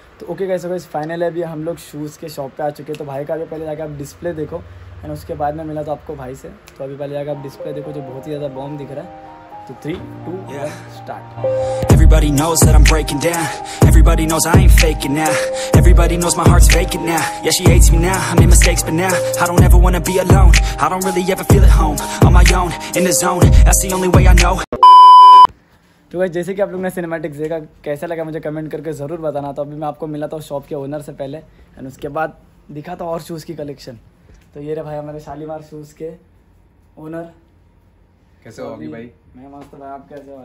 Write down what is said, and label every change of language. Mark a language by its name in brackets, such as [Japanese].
[Hindi] Okay guys, अगर final है अभी हम लोग शूज़ के शॉप पे आ चुके हैं। तो भाई का अभी पहले जाके आप डिस्प्ले देखो, एंड उसके बाद में मिला तो आपको भाई से। तो अभी पहले जाके आप डिस्प्ले देखो जो बहुत ही ज़्यादा बॉम्ब दिख रहा है। तो 3 2 1 start. [English] Everybody knows that I'm breaking down. Everybody knows I ain't faking now. Everybody knows my heart's faking now. Yeah, she hates me now. I made mistakes, but now I don't ever wanna be alone. I don't really ever feel at home. On my own, in the zone. That's the only way I know. [Hindi] तो guys जैसे कि आप लोग ने cinematic देखा, कैसा लगा मुझे कमेंट करके ज़रूर बताना। तो अभी मैं आपको मिला था शॉप के ओनर से पहले, एंड उसके बाद दिखा था और शूज़ की कलेक्शन। तो ये रहे भाई हमारे शालीमार शूज़ के ओनर। कैसे हो अभी भाई? मैं मस्त भाई, आप कैसे हो?